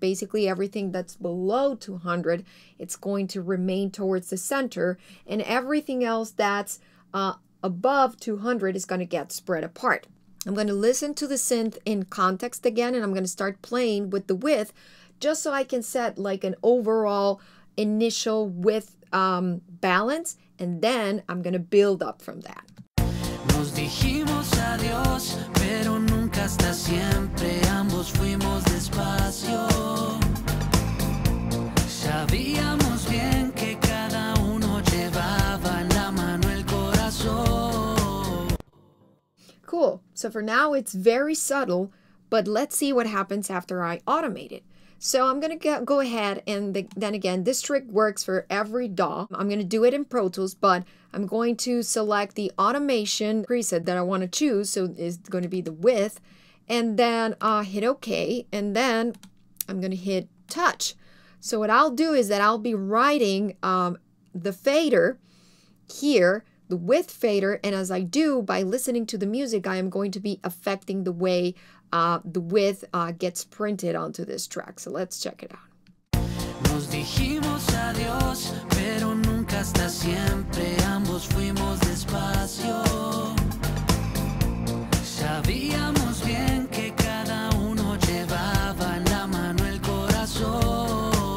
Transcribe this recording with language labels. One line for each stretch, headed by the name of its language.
English: Basically everything that's below 200, it's going to remain towards the center, and everything else that's above 200 is gonna get spread apart. I'm going to listen to the synth in context again, and I'm going to start playing with the width just so I can set like an overall initial width balance, and then I'm going to build up from that.
Spanish: Nos dijimos adiós, pero nunca hasta siempre, ambos fuimos despacio. Sabíamos bien que cada uno llevaba en la mano el corazón.
English: Cool. So for now, it's very subtle, but let's see what happens after I automate it. So I'm going to go ahead, and then again, this trick works for every DAW. I'm going to do it in Pro Tools, but I'm going to select the automation preset that I want to choose. So it's going to be the width, and then hit OK, and then I'm going to hit touch. So what I'll do is that I'll be writing the fader here, the width fader, and as I do, by listening to the music, I am going to be affecting the way the width gets printed onto this track. So let's check it out.
Spanish: Nos dijimos adiós, pero nunca hasta siempre, ambos fuimos despacio. Sabíamos bien que cada uno llevaba en la mano el corazón.